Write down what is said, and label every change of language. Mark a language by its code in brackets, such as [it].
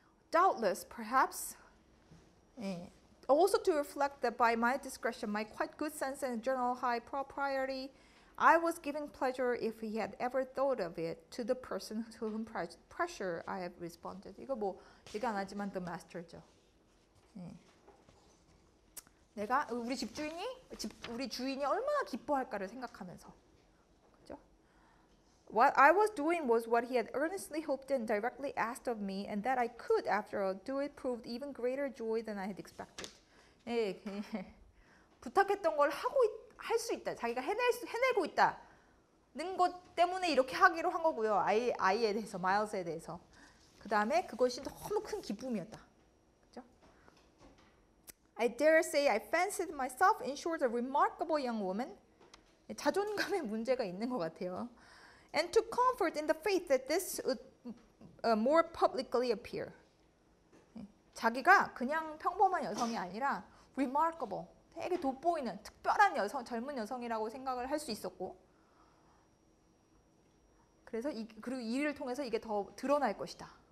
[en] Doubtless, perhaps. 네. Also to reflect that by my discretion, my quite good sense and general high propriety, I was giving pleasure if he had ever thought of it to the person to whom pressure I have responded. [ko] 이거 뭐 얘기 안 하지만 the master죠. 네. 내가 우리 집주인이 우리 주인이 얼마나 기뻐할까를 생각하면서. [en] What I was doing was what he had earnestly hoped and directly asked of me, and that I could, after all, do it proved even greater joy than I had expected. [ko] 예, 부탁했던 걸 하고 할수 있다. 자기가 해내고 있다는 것 때문에 이렇게 하기로 한 거고요. 아이에 대해서, 마일스에 대해서. 그 다음에 그것이 너무 큰 기쁨이었다. [en] I dare say I fancied myself, in short, a remarkable young woman. [ko] 자존감에 문제가 있는 것 같아요. [en] And took comfort in the faith that this would more publicly appear. [ko] 자기가 그냥 평범한 여성이 아니라 Remarkable, 되게 돋보이는 특별한 여성, 젊은 여성이라고 생각을 할수 있었고, 그래서 그리고 이를 통해서 이게 더 드러날 것이다.